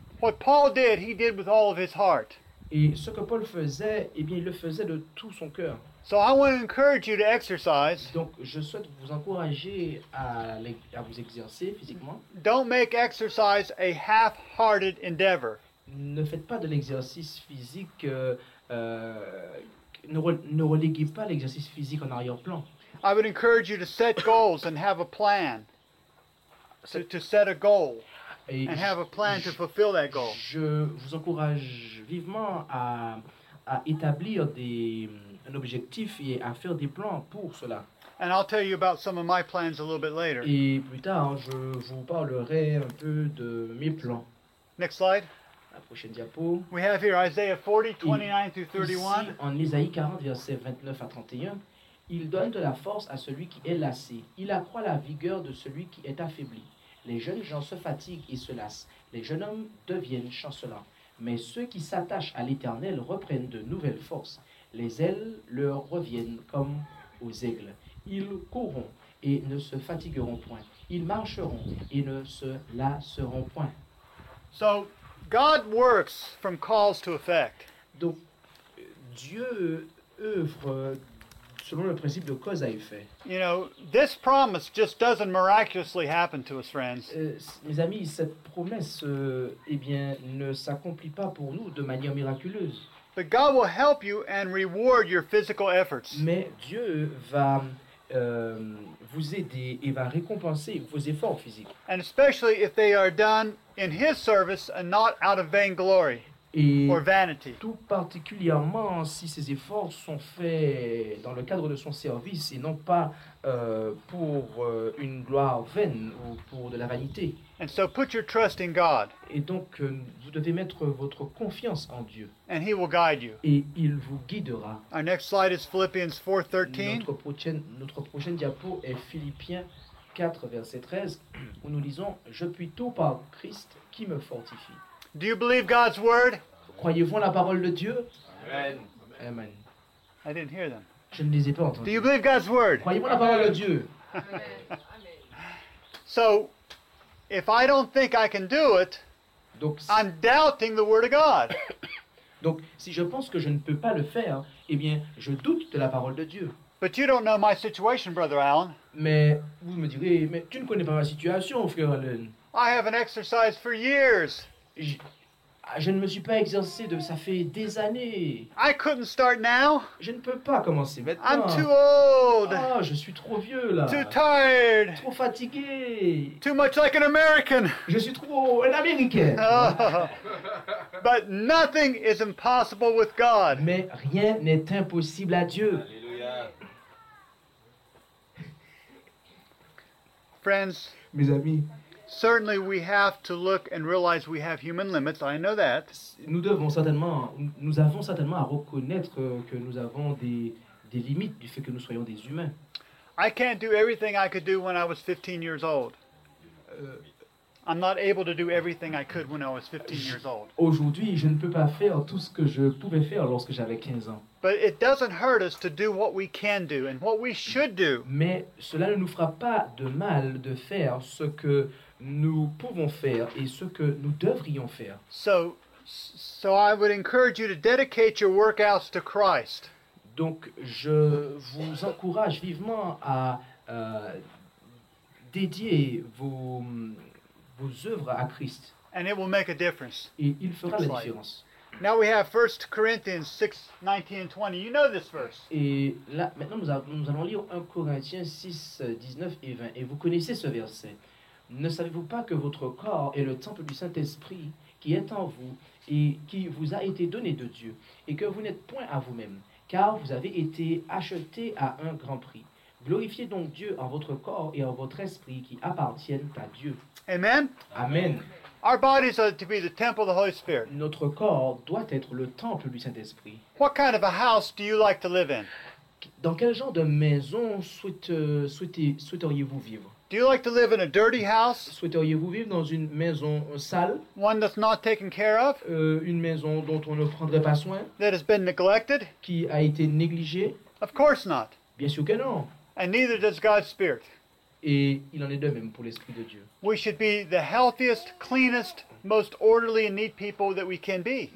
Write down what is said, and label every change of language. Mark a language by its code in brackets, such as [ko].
[en] What Paul did, he did with all of his heart. [fr] Et ce que Paul faisait, eh bien, il le faisait de tout son cœur. [en] So I want to encourage you to exercise. [fr] Donc, je souhaite vous encourager à vous exercer physiquement. [en] Don't make exercise a half-hearted endeavor. [fr] Ne faites pas de l'exercice physique, ne reléguez pas l'exercice physique en arrière-plan. [en] I would encourage you to set goals and have a plan. To set a goal and have a plan to fulfill that goal. [fr] Je vous encourage vivement à établir un objectif et à faire des plans pour cela. [en] And I'll tell you about some of my plans a little bit later. [fr] Et plus tard, je vous parlerai un peu de mes plans. [en] Next slide. [fr] La prochaine diapo. [en] We have here Isaiah 40, 29-31. [fr] Ici, en Isaïe 40, versets 29 à 31. Il donne de la force à celui qui est lassé. Il accroît la vigueur de celui qui est affaibli. Les jeunes gens se fatiguent et se lassent. Les jeunes hommes deviennent chancelants. Mais ceux qui s'attachent à l'Éternel reprennent de nouvelles forces. Les ailes leur reviennent comme aux aigles. Ils courront et ne se fatigueront point. Ils marcheront et ne se lasseront point. [en] So, God works from cause to effect. [fr] Donc, Dieu œuvre selon le principe de cause à effet. [en] You know, this promise just doesn't miraculously happen to us, friends. [fr] Mes amis, cette promesse, eh bien, ne s'accomplit pas pour nous de manière miraculeuse. [en] But God will help you and reward your physical efforts. [fr] Mais Dieu va vous aider et va récompenser vos efforts physiques. [en] And especially if they are done in His service and not out of vainglory. [fr] Et [en] or vanity. [fr] Tout particulièrement si ces efforts sont faits dans le cadre de son service et non pas pour une gloire vaine ou pour de la vanité. [en] And so put your trust in God. [fr] Et donc vous devez mettre votre confiance en Dieu. [en] And he will guide you. [fr] Et il vous guidera. [en] Our next slide is Philippians 4:13. [fr] Notre prochaine diapo est Philippiens 4 verset 13 où nous lisons je puis tout par Christ qui me fortifie. [en] Do you believe God's word? [fr] Croyez-vous la parole de Dieu? [en] Amen. [fr] Amen. [en] I didn't hear them. [fr] Je ne les ai pas entendus. [en] Do you believe God's word? [fr] Croyez-vous la parole de Dieu? [en] Amen. Amen. So, if I don't think I can do it, [fr] donc, [en] I'm doubting the word of God. [fr] Donc, si je pense que je ne peux pas le faire, eh bien, je doute de la parole de Dieu. [en] But you don't know my situation, Brother Alan. [fr] Mais vous me direz, mais tu ne connais pas ma situation, frère Alan. [en] I haven't exercised for years. [fr] Je ne me suis pas exercé de ça fait des années. [en] I couldn't start now. [fr] Je ne peux pas commencer maintenant. [en] I'm too old. [fr] Ah, je suis trop vieux là. [en] Too tired. [fr] Trop fatigué. [en] Too much like an American. [fr] Je suis trop un Américain. Oh. [en] But nothing is impossible with God. [fr] Mais rien n'est impossible à Dieu. Alléluia. [en] Friends, [fr] mes amis, [en] certainly we have to look and realize we have human limits. I know that. [fr] Nous devons certainement, nous avons certainement à reconnaître que nous avons des limites du fait que nous soyons des humains. [en] I can't do everything I could do when I was 15 years old. I'm not able to do everything I could when I was 15 years old. [fr] Aujourd'hui, je ne peux pas faire tout ce que je pouvais faire lorsque j'avais 15 ans. [en] But it doesn't hurt us to do what we can do and what we should do. [fr] Mais cela ne nous fera pas de mal de faire ce que nous pouvons faire et ce que nous devrions faire. [en] So I would encourage you to dedicate your workouts to Christ. [fr] Donc je vous encourage vivement à dédier vos œuvres à Christ. [en] And it will make a difference. [fr] Et il fera la différence. [en] Now we have 1 Corinthians 6:19-20. You know this verse. [fr] Et là maintenant nous allons lire 1 Corinthiens 6 19 et 20 et vous connaissez ce verset. Ne savez-vous pas que votre corps est le temple du Saint-Esprit qui est en vous et qui vous a été donné de Dieu et que vous n'êtes point à vous-même, car vous avez été acheté à un grand prix. Glorifiez donc Dieu en votre corps et en votre esprit qui appartiennent à Dieu. Amen. Amen. [en] Our bodies are to be the temple of the Holy Spirit. [fr] Notre corps doit être le temple du Saint-Esprit. [en] What kind of a house do you like to live in? [fr] Dans quel genre de maison souhaiteriez-vous vivre? [en] Do you like to live in a dirty house? [fr] Souhaiteriez-vous vivre dans une maison sale? [en] One that's not taken care of? [fr] Une maison dont on ne prendrait pas soin? [en] That has been neglected? [fr] Qui a été négligée? [en] Of course not. [fr] Bien sûr que non. [en] And neither does God's Spirit. [fr] Et il en est de même pour l'Esprit de Dieu. [en] We should be the healthiest, cleanest, most orderly and neat people that we can be.